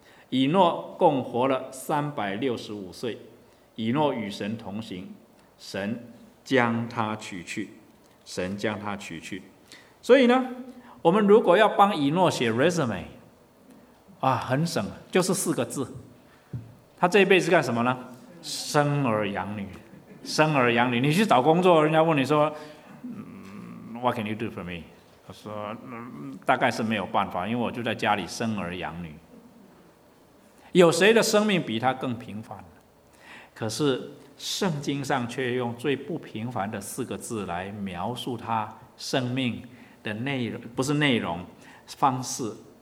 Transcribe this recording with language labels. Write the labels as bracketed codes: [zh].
[zh] 以诺共活了365岁，以诺与神同行，神将他取去，神将他取去。所以呢，我们如果要帮以诺写 resume 啊，很省，就是4个字。他这一辈子干什么呢？生儿养女，生儿养女。你去找工作，人家问你说， [en] What can you do for me？ [zh] 他说，大概是没有办法，因为我就在家里生儿养女。有谁的生命比他更平凡？可是圣经上却用最不平凡的4个字来描述他生命的内容，不是内容，方式。